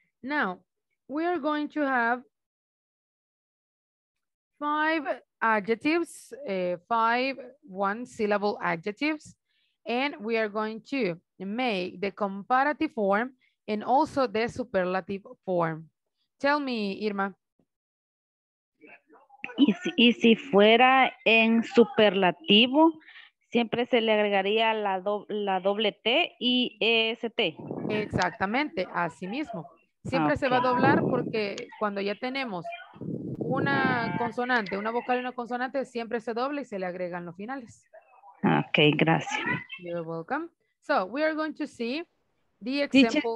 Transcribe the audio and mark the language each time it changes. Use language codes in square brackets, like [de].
[en] Now, we are going to have five adjectives, five one-syllable adjectives, and we are going to make the comparative form and also the superlative form. Tell me, Irma. [es] Y si fuera en superlativo, siempre se le agregaría la doble T y EST. Exactamente, así mismo. Siempre se va a doblar porque cuando ya tenemos una consonante, una vocal y una consonante, siempre se dobla y se le agregan los finales. Okay, gracias. [en] You're welcome. So, we are going to see the example.